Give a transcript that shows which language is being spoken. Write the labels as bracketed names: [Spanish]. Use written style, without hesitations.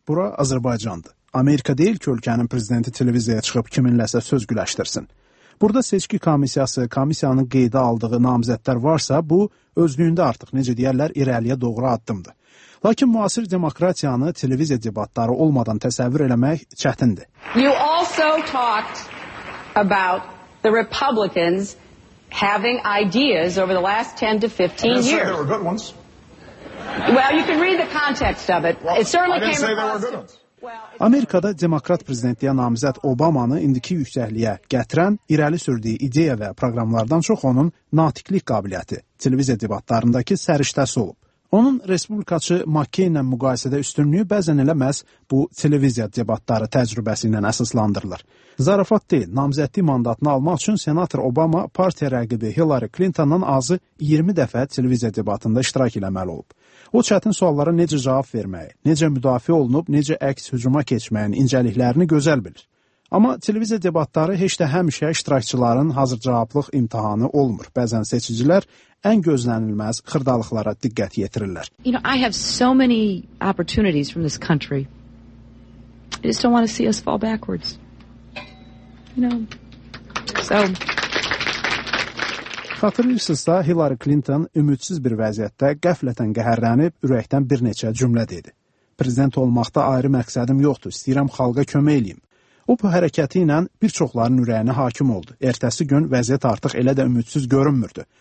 [Azerbaijani] Bura Azərbaycandır. Amerika deyil ki, ölkənin prezidenti televiziyaya çıxıb kiminləsə söz güləşdirsin. Burada seçki komissiyası, komissiyanın qeydə aldığı namizədlər varsa, bu özlüyündə artıq necə deyərlər irəliyə doğru addımdır. Lakin müasir demokratiyanı televiziya debatları olmadan təsəvvür eləmək çətindir. [English] You also talked about the Republicans having ideas over the last 10 to 15 years. There were good ones. Well, you can read the context of it. It certainly came across. [Azerbaijani] Amerikada demokrat prezidentliyə namizəd Obamanı indiki yüksəkliyə gətirən irəli sürdüyü ideya və proqramlardan çox onun natiqlik qabiliyyəti televiziya debatlarındakı səriştəsi olub. Onun respublikaçı McCain ilə müqayisədə üstünlüyü bəzən elə məhz bu televiziya debatları təcrübəsi ilə əsaslandırılır. Zarafat deyil, namizədli mandatını almaq üçün senator Obama partiya rəqibi Hillary Clintondan azı 20 dəfə televiziya debatında iştirak eləməli olub. O çətin suallara necə cavab verməyi, necə müdafiə olunub, necə əks hücuma keçməyin incəliklərini gözəl bilir. Amma televiziya debatları heç də həmişə iştirakçıların hazır cavablıq imtihanı olmur. Bəzən seçicilər ən gözlənilməz xırdalıqlara diqqət yetirirlər. [English] You know, I have so many opportunities from this country. I just don't want to see us fall backwards. You know, so... [Azerbaijani] Xatırlayırsınızsa, Hillary Clinton ümidsiz bir vəziyyətdə qəflətən qəhərlənib, ürəkdən bir neçə cümlə dedi. Prezident olmaqda ayrı məqsədim yoxdur, istəyirəm xalqa kömək eləyim. O, bu hərəkəti ilə bir çoxların ürəyinə hakim oldu. Ertəsi gün vəziyyət artıq elə də ümidsiz görünmürdü.